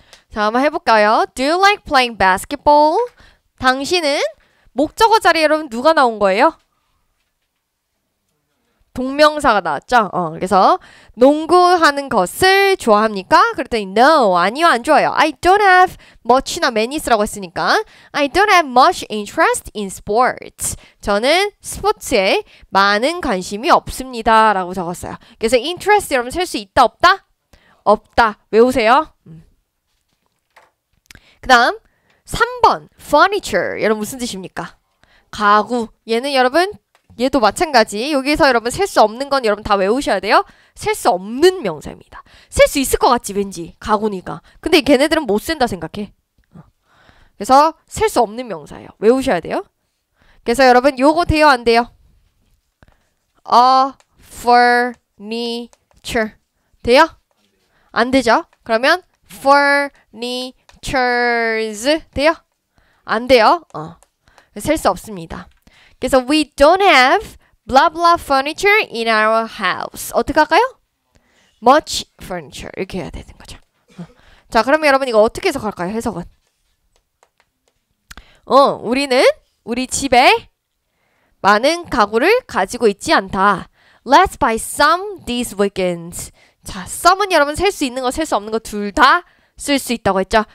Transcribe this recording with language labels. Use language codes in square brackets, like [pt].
[ko] 자, 한번 해볼까요? [en] Do you like playing basketball? [ko] 당신은 목적어 자리에 여러분 누가 나온 거예요? 동명사가 나왔죠? 그래서 농구하는 것을 좋아합니까? 그랬더니 no, 아니요, 안 좋아요. [en] I don't have much나 many [ko] 라고 했으니까 [en] I don't have much interest in sports. [ko] 저는 스포츠에 많은 관심이 없습니다라고 적었어요. 그래서 interest 여러분 셀수 있다 없다? 없다. 외우세요. 그다음 3번 furniture 여러분 무슨 뜻입니까? 가구. 얘는 여러분 얘도 마찬가지. 여기서 여러분 셀수 없는 건 여러분 다 외우셔야 돼요. 셀수 없는 명사입니다. 셀수 있을 것 같지, 왠지. 가구니까. 근데 걔네들은 못 쓴다 생각해. 그래서 셀수 없는 명사예요. 외우셔야 돼요. 그래서 여러분 요거 돼요, 안 돼요? A furniture. 돼요? 안 되죠? 그러면 furnitures 돼요? 안 돼요. 셀수 없습니다. 그래서 [en] we don't have blah blah furniture in our house. [ko] 어떻게 할까요? [en] Much furniture [ko] 이렇게 해야 되는 거죠. 자, 그러면 여러분 이거 어떻게 해석할까요? 해석은. 우리는 우리 집에 많은 가구를 가지고 있지 않다. [en] Let's buy some these weekends. [ko] 자, some은 여러분 셀수 있는 거, 셀수 없는 거둘다쓸수 있다고 했죠.